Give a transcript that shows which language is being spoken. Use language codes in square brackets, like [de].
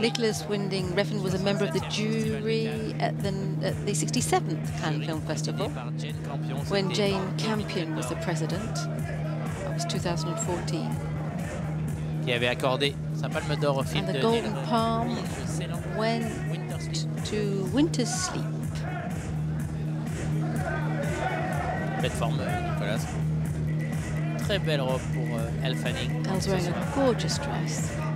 [en] Nicolas Winding Refn was a member of the jury at the 67th Cannes Film Festival when Jane Campion was the president. That was 2014. [fr] Qui avait accordé sa palme d'or au film. [en] And the Golden Palm went to Winter Sleep. [fr] Belle forme, Nicolas. Très belle robe pour Elle Fanning. [en] Elle's wearing a gorgeous dress.